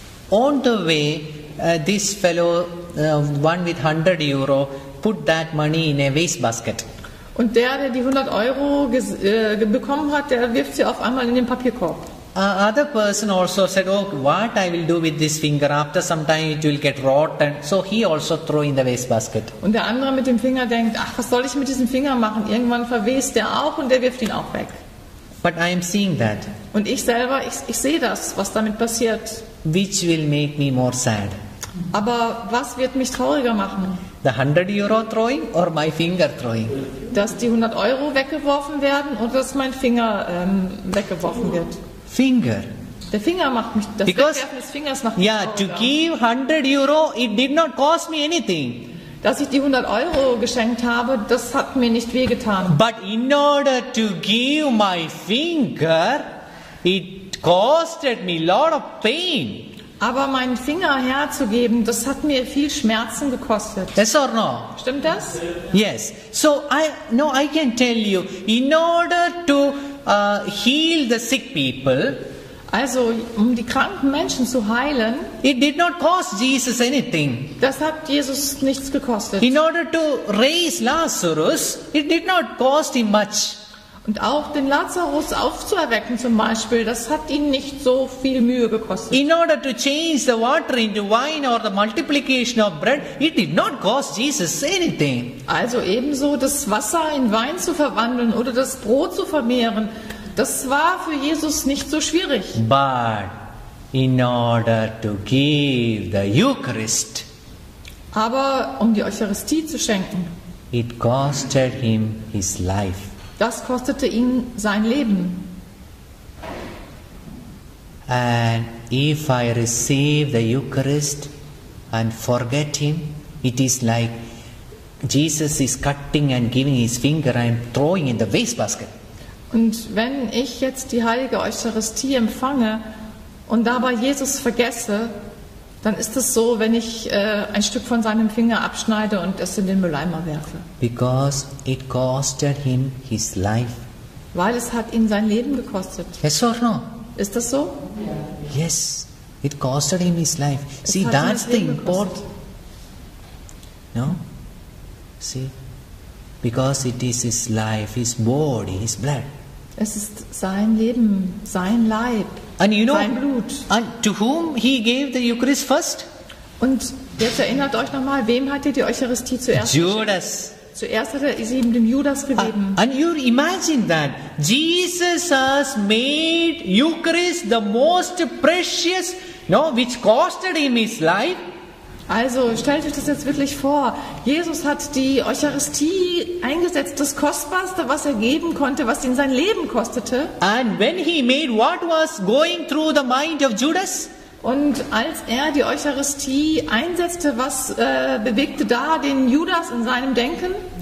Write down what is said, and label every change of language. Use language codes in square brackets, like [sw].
[en] On the way, this fellow, one with 100 euro, put that money in a waste basket. [de] Und der die 100 euro bekommen hat, der wirft sie auf einmal in den Papierkorb. [en] Other person also said, oh, what I will do with this finger, after some time it will get rotten. So he also threw in the waste basket. [de] Und der andere mit dem Finger denkt, ach, was soll ich mit diesem Finger machen? Irgendwann verwest der auch und der wirft ihn auch weg. [en] But I am seeing that. [de] Und ich selber, ich sehe das, was damit passiert. [en] Which will make me more sad. [de] Aber was wird mich trauriger machen? [en] The 100 euro throwing or my finger throwing? [de] Dass die 100 euro weggeworfen werden oder dass mein Finger weggeworfen wird? [en] Finger. [de] Der Finger macht mich, das Wegwerfen des Fingers macht mich trauriger. [en] Yeah, to give 100 euro, it did not cost me anything. [de] Dass ich die 100 euro geschenkt habe, das hat mir nicht wehgetan. [en] But in order to give my finger, it costed me a lot of pain. [de] Aber meinen Finger herzugeben, das hat mir viel Schmerzen gekostet. [en] Yes or no? [de] Stimmt das? [en] Yes. So I can tell you, in order to heal the sick people. [de] Also, um die kranken Menschen zu heilen. [en] It did not cost Jesus anything. [de] Das hat Jesus nichts gekostet. [en] In order to raise Lazarus, it did not cost him much. [de] Und auch den Lazarus aufzuerwecken zum Beispiel, das hat ihn nicht so viel Mühe gekostet. [en] In order to change the water into wine or the multiplication of bread, it did not cost Jesus anything. [de] Also ebenso das Wasser in Wein zu verwandeln oder das Brot zu vermehren, das war für Jesus nicht so schwierig. [en] But in order to give the Eucharist, [de] aber um die Eucharistie zu schenken, [en] it costed him his life. [de] Das kostete ihn sein Leben. [en] And if I receive the Eucharist and forget him, it is like Jesus is cutting and giving his finger and throwing in the waste basket. [de] Und wenn ich jetzt die heilige Eucharistie empfange und dabei Jesus vergesse, dann ist es so, wenn ich ein Stück von seinem Finger abschneide und es in den Mülleimer werfe. [en] Because it costed him his life. [de] Weil es hat ihn sein Leben gekostet. [en] Yes or no? [de] Ist das so? [en] Yeah. Yes, it costed him his life. Es see, that's the important. No? See? Because it is his life, his body, his blood. [de] Es ist sein Leben, sein Leib. [en] And you know, [de] sein Blut. [en] And to whom he gave the Eucharist first? [de] Und jetzt erinnert euch nochmal, wem hat er die Eucharistie zuerst gegeben? Judas. Zuerst hat er sie ihm dem Judas gegeben. [en] And you imagine that Jesus has made Eucharist the most precious, no, which costed him his life. [de] Also stellt euch das jetzt wirklich vor. Jesus hat die Eucharistie eingesetzt, das Kostbarste, was er geben konnte, was ihn sein Leben kostete. [en] And when he made what was going through the mind of Judas? [de] Und als er die Eucharistie einsetzte, was bewegte da den Judas in seinem Denken?